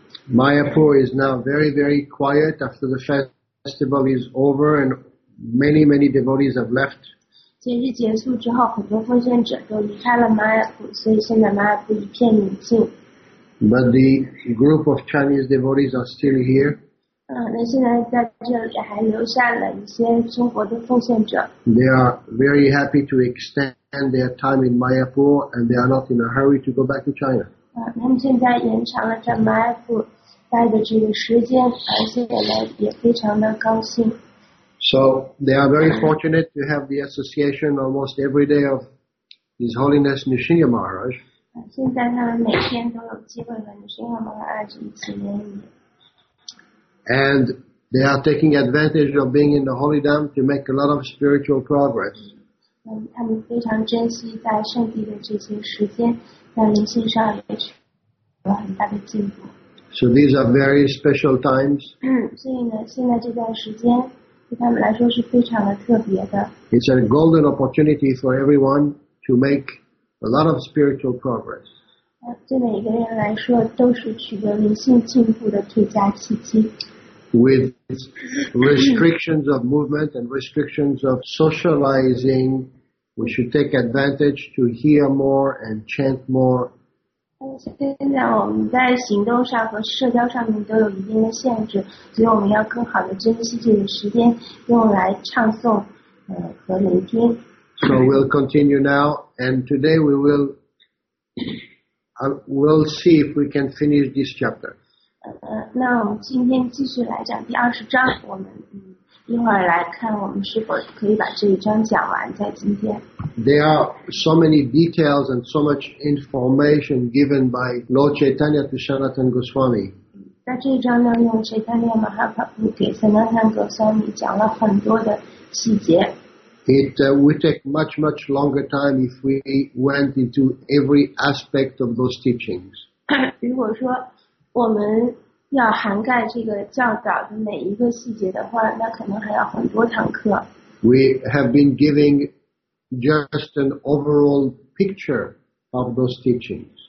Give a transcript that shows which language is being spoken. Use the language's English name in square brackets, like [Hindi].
[English] Mayapur is now very very quiet after the festival is over and many many devotees have left. [Chinese] 节日结束之后，很多奉献者都离开了玛雅普，所以现在玛雅普一片宁静。 [English] But the group of Chinese devotees are still here. [Chinese] 那现在在这里还留下了一些中国的奉献者。 [English] They are very happy to extend their time in Mayapur, and they are not in a hurry to go back to China. [Chinese] 他们现在延长了在玛雅普待的这个时间，而且呢也非常的高兴。 [English] So they are very fortunate to have the association almost every day of His Holiness Nrisimha Maharaj. [Chinese] 现在他们每天都有机会和 Nrisimha Maharaj 一起联谊。 [English] And they are taking advantage of being in the Holy Dham to make a lot of spiritual progress. [Chinese] 他们非常珍惜在圣地的这些时间，在灵性上也取得了很大的进步。 [English] So these are very special times. [Chinese] 所以呢，现在这段时间。对他们来说是非常的特别的。 [English] It's a golden opportunity for everyone to make a lot of spiritual progress. [Chinese] 对每个人来说都是取得灵性进步的最佳契机。 [English] With restrictions of movement and restrictions of socializing, we should take advantage to hear more and chant more. [Chinese] 现在我们在行动上和社交上面都有一定的限制，所以我们要更好的珍惜这个时间，用来唱诵，和聆听。 [English] So we'll continue now, and today we will, we'll see if we can finish this chapter. [Chinese] 那我们今天继续来讲第二十章，我们一会儿来看我们是否可以把这一章讲完在今天。 [English] There are so many details and so much information given by Lord Chaitanya to Sanatan Goswami. [Chinese] 在这一章当中 ，Chaitanya Mahaprabhu 给 Sanatan Goswami 讲了很多的细节。 [English] It would take much much longer time if we went into every aspect of those teachings. [Chinese] 如果说我们要涵盖这个教导的每一个细节的话，那可能还要很多堂课。 [English] We have been giving just an overall picture of those teachings.